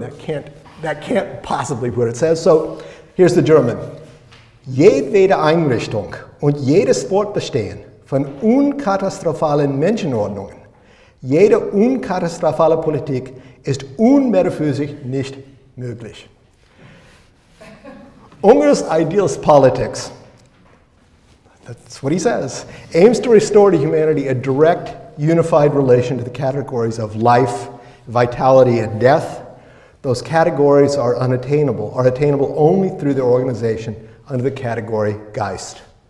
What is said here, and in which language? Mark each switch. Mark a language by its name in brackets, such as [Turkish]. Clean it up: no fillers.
[English] That can't possibly be what it says." So, here's the German: [German] Jede Einrichtung und jedes Fortbestehen von unkatastrophalen Menschenordnungen, jede unkatastrophale Politik ist unmetaphysisch nicht möglich. [English] Unger's idealist politics, that's what he says, aims to restore to humanity a direct, unified relation to the categories of life, vitality, and death. Those categories are unattainable, are attainable only through their organization under the category Geist.